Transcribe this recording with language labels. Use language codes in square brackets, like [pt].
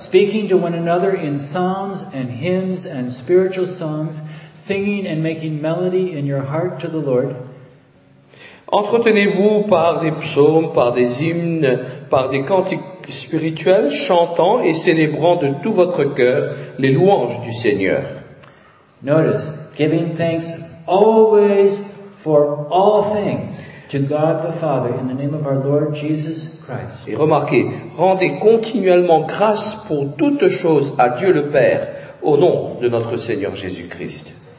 [en] Speaking to one another in psalms and hymns and spiritual songs, singing and making melody in your heart to the Lord. [fr] Entretenez-vous par des psaumes, par des hymnes, par des cantiques spirituel, chantant et célébrant de tout votre cœur les louanges du Seigneur. [en] Notice, giving thanks always for all things to God the Father in the name of our Lord Jesus Christ. [fr] Et remarquez, rendez continuellement grâce pour toutes choses à Dieu le Père au nom de notre Seigneur Jésus Christ.